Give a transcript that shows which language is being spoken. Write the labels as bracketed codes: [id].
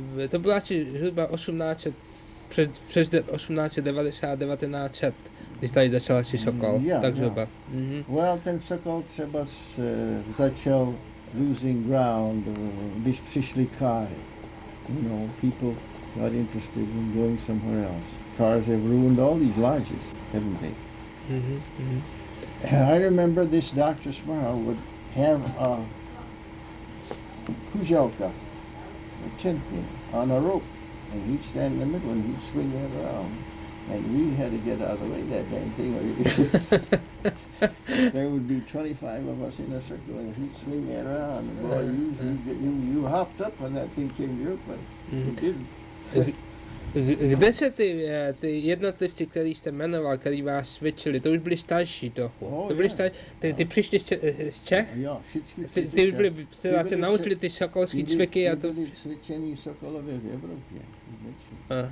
[cs] To bylo asi zhruba 1800, přes 1890, 1900. Když tady začal asi Sokol, zhruba. [en] Well, [cs] ten Sokol třeba začal [en] losing ground, [cs] když přišli káry. [en] You know, people not interested in going somewhere else. Cars have ruined all these lodges, haven't they? Mm-hmm, mm-hmm. And I remember this Dr. Smile would have a pujalka, a tent thing, on a rope. And he'd stand in the middle and he'd swing it around. And we had to get out of the way, that damn thing. There would be 25 of us in a circle, and he'd swing that around. And boy, you hopped up when that thing came to your place. Mm-hmm. You didn't. [cs] Kde se ty jednotlivci, který jste jmenoval, který vás cvičili, to už byli starší trochu. Ty přišli z Čech? Jo, ty už byli, se naučili ty sokolské cviky a to... Ty byli cvičení sokolové v Evropě.